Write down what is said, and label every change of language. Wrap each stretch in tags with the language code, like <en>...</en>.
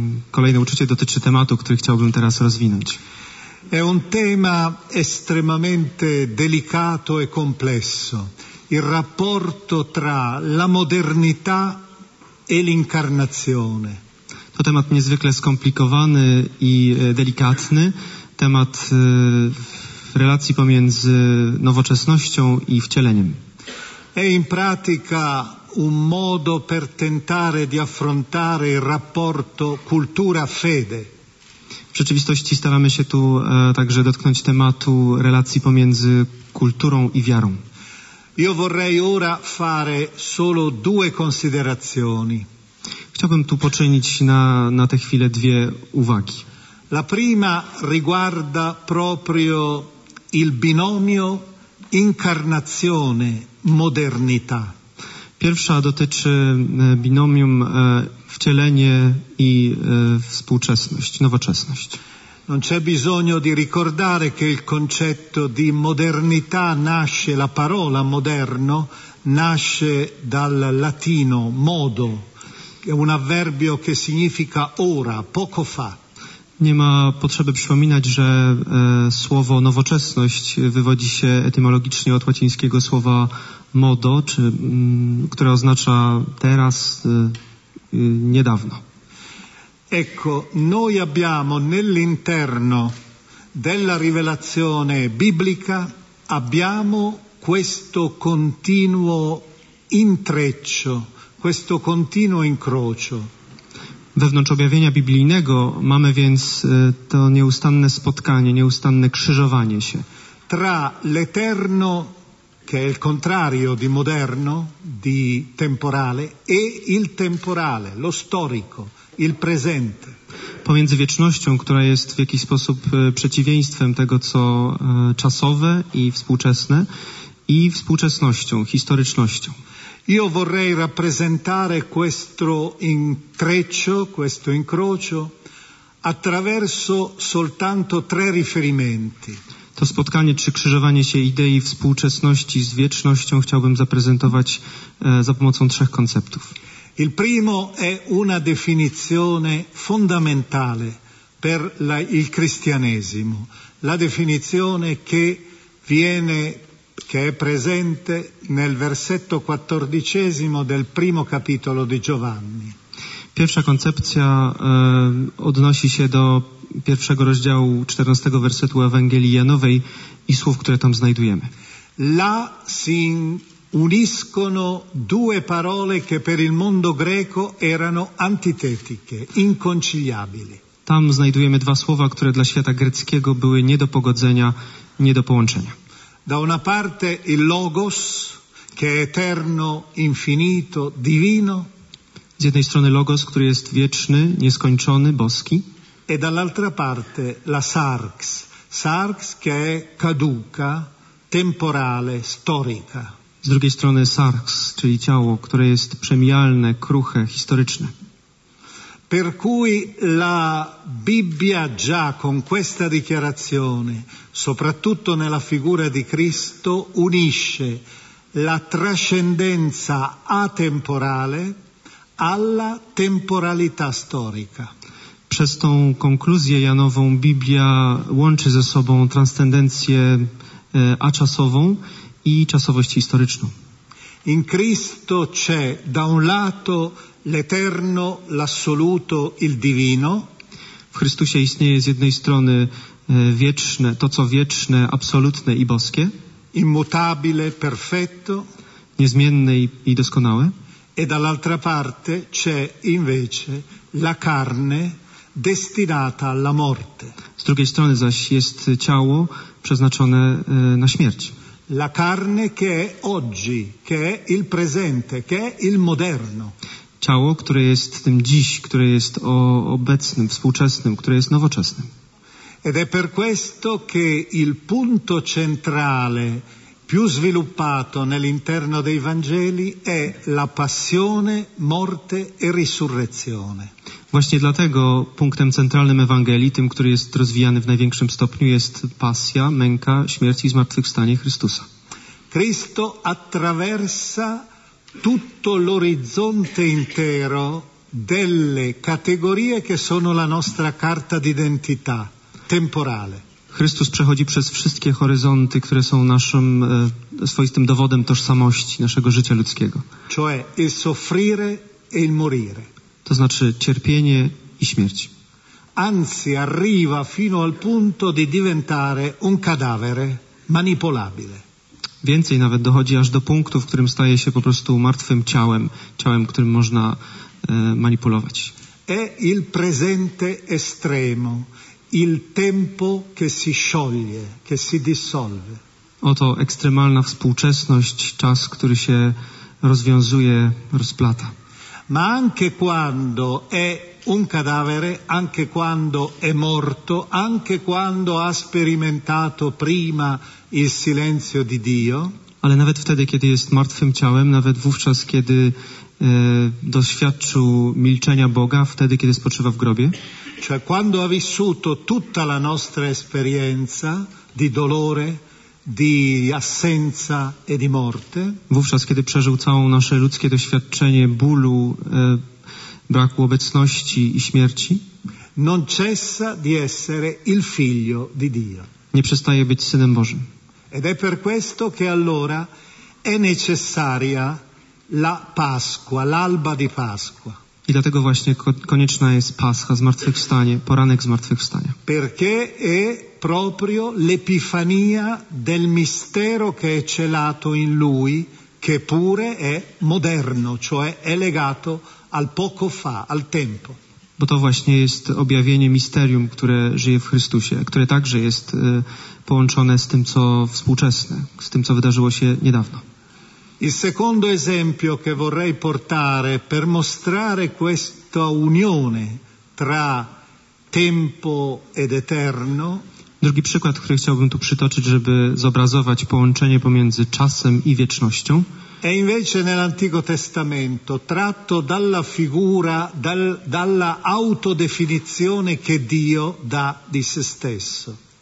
<pl>Kolejne uczucie dotyczy tematu, który chciałbym teraz rozwinąć.</pl> <it>È un tema estremamente delicato e complesso. Il rapporto tra la modernità e l'incarnazione.</it> <pl>To temat niezwykle skomplikowany i delikatny. Temat relacji pomiędzy nowoczesnością i wcieleniem.</pl> <it>È in pratica un modo per tentare di affrontare il rapporto cultura-fede.</it> <pl>W rzeczywistości staramy się tu także dotknąć tematu relacji pomiędzy kulturą i wiarą.</pl> <it>Io vorrei ora fare solo due considerazioni.</it> <pl>Chciałbym tu poczynić na tę chwilę dwie uwagi.</pl> <it>La prima riguarda proprio il binomio incarnazione-modernità.</it> <pl>Pierwsza dotyczy binomium wcielenie i współczesność, nowoczesność.</pl> <it>Non c'è bisogno di ricordare che il concetto di modernità nasce, la parola moderno nasce dal latino modo, è un avverbio che significa ora, poco fa.</it> <pl>Nie ma potrzeby przypominać, że słowo nowoczesność wywodzi się etymologicznie od łacińskiego słowa modo, które oznacza teraz, niedawno.</pl> <it>Ecco, noi abbiamo nell'interno della rivelazione biblica, abbiamo questo continuo intreccio, questo continuo incrocio.</it> <pl>Wewnątrz objawienia biblijnego mamy więc to nieustanne spotkanie, nieustanne krzyżowanie się.</pl> <it>Tra l'eterno, che è il contrario di moderno, di temporale, e il temporale, lo storico, il presente.</it> <pl>Pomiędzy wiecznością, która jest w jakiś sposób przeciwieństwem tego, co czasowe i współczesne, i współczesnością, historycznością.</pl> <it>Io vorrei rappresentare questo intreccio, questo incrocio, attraverso soltanto tre riferimenti.</it> <pl>To spotkanie czy krzyżowanie się idei współczesności z wiecznością chciałbym zaprezentować za pomocą trzech konceptów.</pl> <it>Il primo è una definizione fondamentale per il cristianesimo, la definizione che viene, che è presente nel versetto 14 del primo capitolo di Giovanni.</it> <pl>Pierwsza koncepcja odnosi się do pierwszego rozdziału 14 wersetu Ewangelii Janowej i słów, które tam znajdujemy.</pl> <it>La si uniscono due parole che per il mondo greco erano antitetiche, inconciliabili.</it> <pl>Tam znajdujemy dwa słowa, które dla świata greckiego były nie do pogodzenia, nie do połączenia.</pl> <it>Da una parte il logos, che è eterno, infinito, divino.</it> <pl>Z jednej strony logos, który jest wieczny, nieskończony, boski.</pl> <it>E dall'altra parte la sarx, sarx che è caduca, temporale, storica.</it> <pl>Z drugiej strony sarx, czyli ciało, które jest przemijalne, kruche, historyczne.</pl> <it>Per cui la Bibbia già con questa dichiarazione, soprattutto nella figura di Cristo, unisce la trascendenza atemporale alla temporalità storica.</it> <pl>Przez tą konkluzję janową Biblia łączy ze sobą transcendencję aczasową i czasowość historyczną.</pl> <it>In Cristo c'è da un lato l'eterno, l'assoluto, il divino.</it> <pl>W Chrystusie istnieje z jednej strony wieczne, to co wieczne, absolutne i boskie.</pl> <it>Immutabile, perfetto.</it> <pl>Niezmienne i doskonałe.</pl> <it>E dall'altra parte c'è invece la carne destinata alla morte.</it> <pl>Z drugiej strony zaś jest ciało przeznaczone na śmierć.</pl> <it>La carne che è oggi, che è il presente, che è il moderno.</it> <pl>Ciało, które jest tym dziś, które jest obecnym, współczesnym, które jest nowoczesnym.</pl> <it>Ed è per questo che il punto centrale più sviluppato nell'interno dei Vangeli è la passione, morte e risurrezione.</it> <pl>Właśnie dlatego punktem centralnym Ewangelii, tym, który jest rozwijany w największym stopniu, jest pasja, męka, śmierć i zmartwychwstanie Chrystusa.</pl> <it>Cristo attraversa tutto l'orizzonte intero delle categorie che sono la nostra carta d'identità temporale.</it> <pl>Chrystus przechodzi przez wszystkie horyzonty, które są naszym swoistym dowodem tożsamości naszego życia ludzkiego.</pl> <it>Cioè il soffrire e il morire.</it> <pl>To znaczy cierpienie i śmierć.</pl> <it>Anzi arriva fino al punto di diventare un cadavere manipolabile.</it> <pl>Więcej, nawet dochodzi aż do punktu, w którym staje się po prostu martwym ciałem, ciałem, którym można manipulować.</pl> <it>È il presente estremo, il tempo che si scioglie, che si dissolve.</it> <pl>Oto ekstremalna współczesność, czas, który się rozwiązuje, rozplata.</pl> <it>Ma anche quando è un cadavere, anche quando è morto, anche quando ha sperimentato prima il silenzio di Dio.</it> <pl>Ale nawet wtedy, kiedy jest martwym ciałem, nawet wówczas, kiedy doświadczył milczenia Boga, wtedy, kiedy spoczywa w grobie.</pl> <it>Cioè quando ha vissuto tutta la nostra esperienza di dolore, di assenza e di morte.</it> <pl>Wówczas, kiedy przeżył całą nasze ludzkie doświadczenie bólu, braku obecności i śmierci.</pl> <it>Non cessa di essere il figlio di Dio.</it> <pl>Nie przestaje być Synem Bożym.</pl> <it>Ed è per questo che allora è necessaria la Pasqua, l'alba di Pasqua.</it> <pl>I dlatego właśnie konieczna jest Pascha, zmartwychwstanie, poranek zmartwychwstania.</pl> <it>Perché è proprio l'epifania del mistero che è celato in lui, che pure è moderno, cioè è legato al poco fa, al tempo.</it> <pl>Bo to właśnie jest objawienie misterium, które żyje w Chrystusie, które także jest połączone z tym, co współczesne, z tym, co wydarzyło się niedawno.</pl> <it>Il secondo esempio che vorrei portare per mostrare questa unione tra tempo ed eterno.</it> <pl>Drugi przykład, który chciałbym tu przytoczyć, żeby zobrazować połączenie pomiędzy czasem i wiecznością.</pl> <it>È invece nell'Antico Testamento, tratto dalla figura, dalla autodefinizione che Dio dà di se stesso.</it>